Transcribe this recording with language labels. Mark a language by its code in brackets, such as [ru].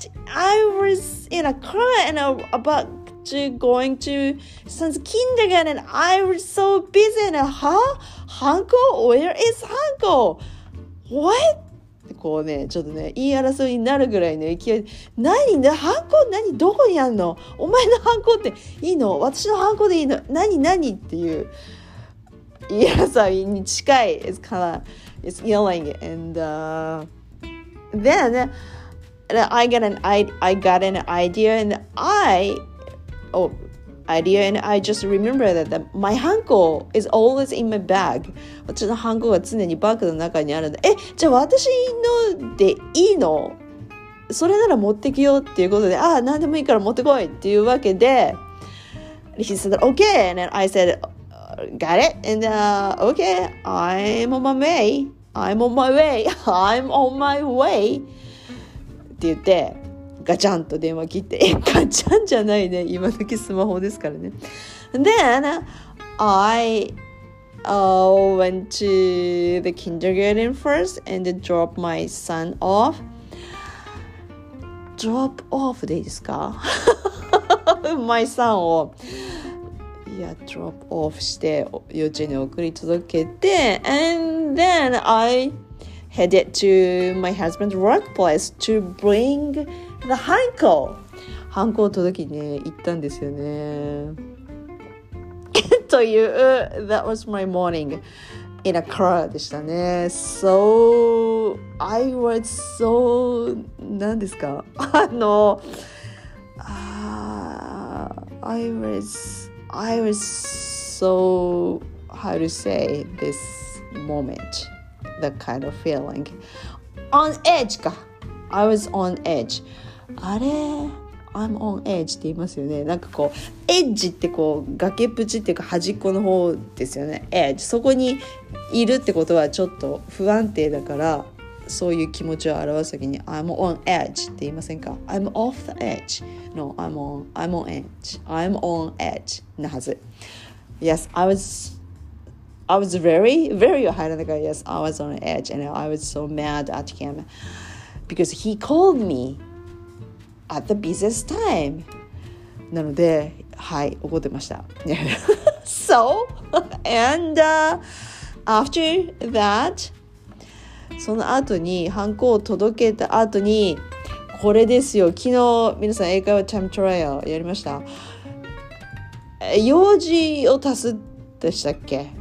[en] I was in a car and I was about to going to son's kindergarten and I was so busy and huh? Hanko? Where is Hanko? What? [ja] こうね、ちょっとね、言い争いになるぐらいの勢い。何で、ハンコ何どこにあるの？お前のハンコっていいの？私のハンコでいいの？何っていう。 [en] Yeah, so it's kind of, it's yelling. And then I got an idea and I just remember that my hanko is always in my bag. [ja] 私のハンコが常にバッグの中にあるんだ。え、じゃあ私のでいいの？それなら持ってきようっていうことで、ああ、なんでもいいから持ってこいっていうわけで。 [en] He said, okay. And then I said,Got it. And okay, I'm on my way. [ja] って言って、ガチャンと電話切って、え、ガチャンじゃないね。今時スマホですからね。 [en] And then I went to the kindergarten first and drop my son off. Drop off [ja] でいいですか [en] My son を。 [ja] いや、drop off して幼稚園に送り届けて [en] and then I headed to my husband's workplace to bring the hanko. [ja] ハンコを届けに行ったんですよね。 [en] It [ja] という、 [en] That was my morning in a car [ja] でしたね。 [en] So, I was so, [ja] 何ですか? [en] I was so, how to say this moment, the kind of feeling. On edge か。I was on edge. [ja] あれ? [en] I'm on edge [ja] って言いますよね。なんかこう、edge ってこう、崖っぷちっていうか端っこの方ですよね。 edge。 そこにいるってことはちょっと不安定だから、そういう気持ちを表すときに、 [en] I'm on edge [ja] って言いませんか ? [en] I'm off the edge. No, I'm on edge. I'm on edge. [ja] なはず。 [en] Yes, I was very, very high on the guy. Yes, I was on edge and I was so mad at him because he called me. At the busiest time. [ja] なので、はい、怒ってました。 [en] So, and、after that, [ja] その後に、ハンコを届けた後に、これですよ。昨日、皆さん、英会話タイムトライアルやりました。用事を足すでしたっけ?